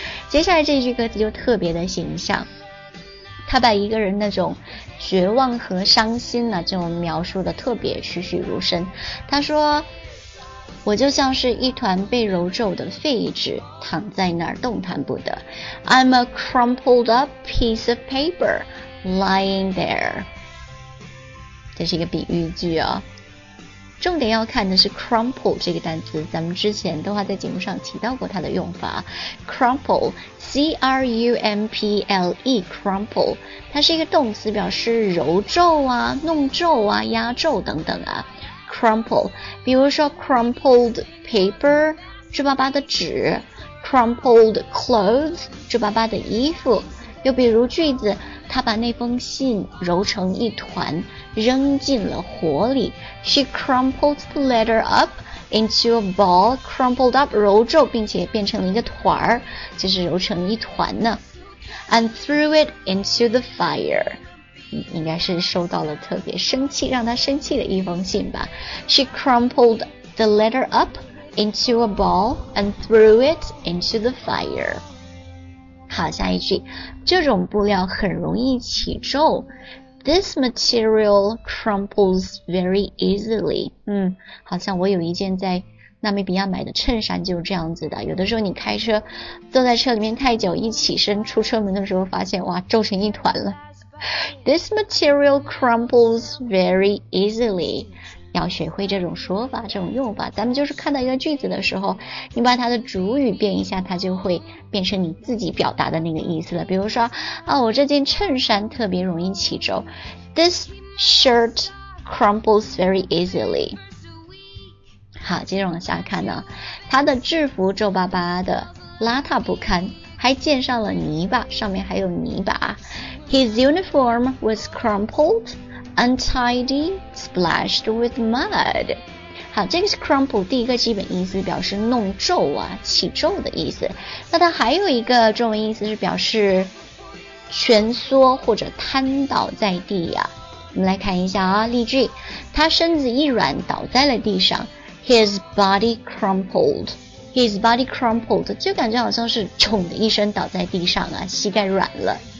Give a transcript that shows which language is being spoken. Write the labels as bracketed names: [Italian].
[Chinese] 接下来这句歌词就特别的形象，她把一个人那种绝望和伤心啊就描述得特别栩栩如生。她说，我就像是一团被揉皱的废纸，躺在那儿动弹不得。 [English] I'm a crumpled up piece of paper lying there。 [Chinese] 这是一个比喻句哦，重点要看的是 crumple 这个单词，咱们之前都还在节目上提到过它的用法。 crumple C-R-U-M-P-L-E crumple 它是一个动词，表示揉皱啊、弄皱啊、压皱等等啊。 Crumple， 比如说 [English] crumpled paper， [Chinese] 皱巴巴的纸 ； [English] crumpled clothes， [Chinese] 皱巴巴的衣服。又比如句子，他把那封信揉成一团，扔进了火里。 [English] She crumpled the letter up into a ball， crumpled up， [Chinese] 揉皱，并且变成了一个团儿，就是揉成一团呢。 [English] And threw it into the fire。 [Chinese] 应该是收到了特别生气，让他生气的一封信吧。 [English] She crumpled the letter up into a ball and threw it into the fire。 [Chinese] 好，下一句，这种布料很容易起皱。 [English] This material crumples very easily。 [Chinese] 好像我有一件在纳米比亚买的衬衫就是这样子的，有的时候你开车坐在车里面太久，一起身出车门的时候发现哇，皱成一团了。 [English] This material crumples very easily。 [Chinese] 要学会这种说法，这种用法，咱们就是看到一个句子的时候，你把它的主语变一下，它就会变成你自己表达的那个意思了。比如说啊，我这件衬衫特别容易起皱。 [English] This shirt crumples very easily。 [Chinese] 好，接着往下看呢，它的制服皱巴巴的，邋遢不堪，还溅上了泥巴，上面还有泥巴。 [English] His uniform was crumpled, untidy, splashed with mud。 [Chinese] 好，这个是 crumple 第一个基本意思，表示弄皱啊、起皱的意思。那它还有一个中文意思是表示蜷缩或者瘫倒在地啊。我们来看一下啊，例句，他身子一软倒在了地上。 [English] His body crumpled [Chinese] 就感觉好像是冲的一声倒在地上啊，膝盖软了。